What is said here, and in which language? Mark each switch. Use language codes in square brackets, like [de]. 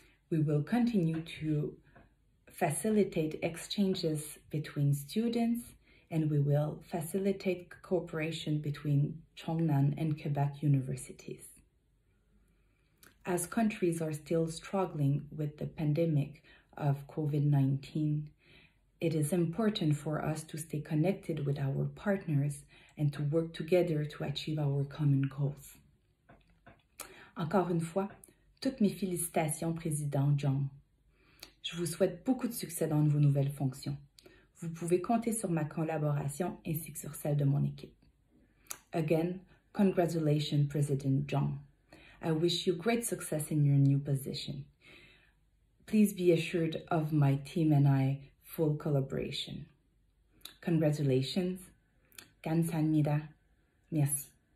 [en] We will continue to facilitate exchanges between students, and we will facilitate cooperation between Chongnan and Quebec universities. As countries are still struggling with the pandemic of COVID-19, it is important for us to stay connected with our partners and to work together to achieve our common goals. [fr] Encore une fois, toutes mes félicitations, Président Zhang. Je vous souhaite beaucoup de succès dans vos nouvelles fonctions. Vous pouvez compter sur ma collaboration ainsi que sur celle de mon équipe. [en] Again, congratulations, President Zhang. I wish you great success in your new position. Please be assured of my team and I full collaboration. Congratulations. [ko] 감사합니다. [fr] Merci.